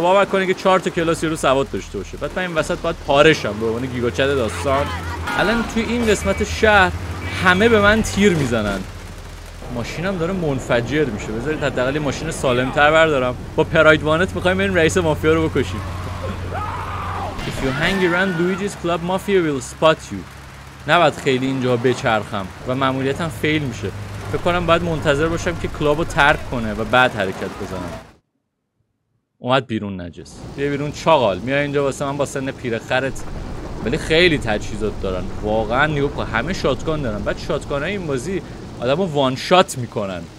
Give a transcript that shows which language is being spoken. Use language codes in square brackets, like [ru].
[fa] باور کنه که 4 تا کلاسی رو سواد داشته باشه. بعد من این وسط باید پارشم به عنوان گیگاچد داستان. الان توی این قسمت شهر همه به من تیر میزنن. ماشینم داره منفجر میشه. بذارید حداقل ماشین سالمتر بردارم. با پراید وانت میخوایم بریم رئیس مافیا رو بکشیم. [en] If you hang around Luigi's club, mafia will spot you. [fa] نباید خیلی اینجا بچرخم و ماموریتم فیل میشه. فکر کنم باید منتظر باشم که کلابو ترک کنه و بعد حرکت بزنم. اومد بیرون نجس. بیا بیرون چاغال. میای اینجا واسه من با سن پیرخرت. ولی خیلی تجهیزات دارن. واقعا نیو کو همه شاتگان دارن. بعد شاتگانای این بازی آدمو وان شات میکنن.